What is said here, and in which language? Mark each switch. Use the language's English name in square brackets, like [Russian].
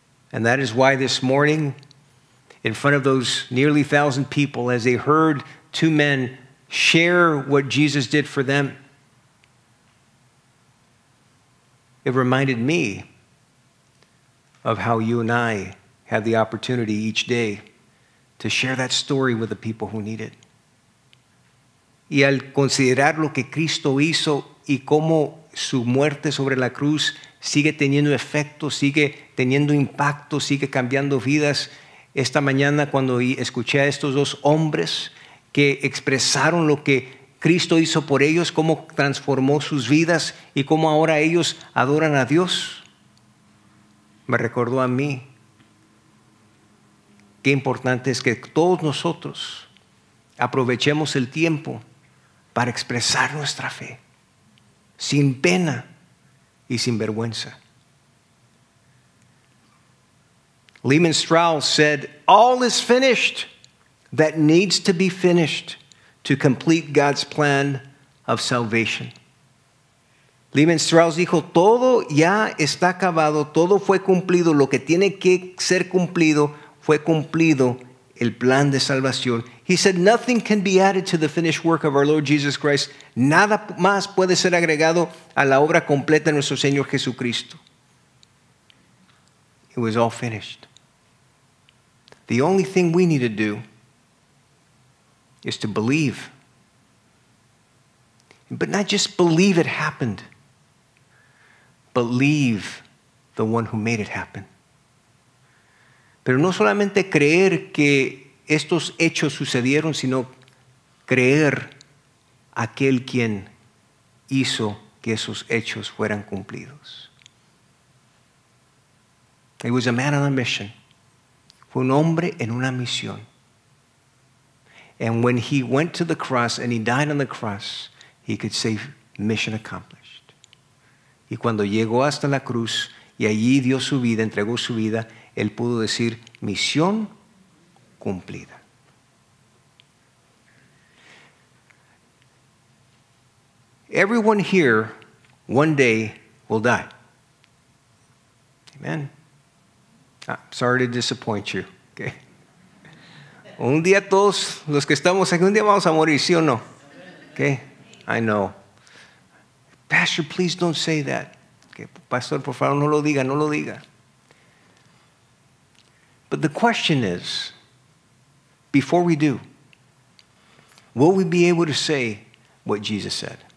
[English] And that is why this morning, in front of those nearly 1,000 people, as they heard two men share what Jesus did for them, it reminded me of how you and I have the opportunity each day to share that story with the people who need it. [Spanish] Y al considerar lo que Cristo hizo y cómo su muerte sobre la cruz sigue teniendo efecto, sigue teniendo impacto, sigue cambiando vidas. Esta mañana cuando escuché a estos dos hombres que expresaron lo que Cristo hizo por ellos, cómo transformó sus vidas y cómo ahora ellos adoran a Dios, me recordó a mí qué importante es que todos nosotros aprovechemos el tiempo para expresar nuestra fe sin pena y sin vergüenza. [English] Lehman Strauss said, "All is finished that needs to be finished to complete God's plan of salvation." [Spanish] Lehman Strauss dijo, "Todo ya está acabado, todo fue cumplido, lo que tiene que ser cumplido fue cumplido el plan de salvación." [English] He said, "Nothing can be added to the finished work of our Lord Jesus Christ." [Spanish] Nada más puede ser agregado a la obra completa de nuestro Señor Jesucristo. [English] It was all finished. The only thing we need to do is to believe. But not just believe it happened. Believe the one who made it happen. [Spanish] Pero no solamente creer que estos hechos sucedieron, sino creer aquel quien hizo que esos hechos fueran cumplidos. [English] He was a man on a mission. [Spanish] Fue un hombre en una misión. [English] And when he went to the cross and he died on the cross, he could say, "Mission accomplished." [Spanish] Y cuando llegó hasta la cruz y allí dio su vida, entregó su vida, él pudo decir, "Misión cumplida." [English] Everyone here one day will die. Amen. Sorry to disappoint you. Okay. [Spanish] Un día todos los que estamos aquí, un día vamos a morir, ¿sí o no? [English] Okay. I know. Pastor, please don't say that. Okay. [Spanish] Pastor, por favor, no lo diga, no lo diga. [English] But the question is, before we do, will we be able to say what Jesus said?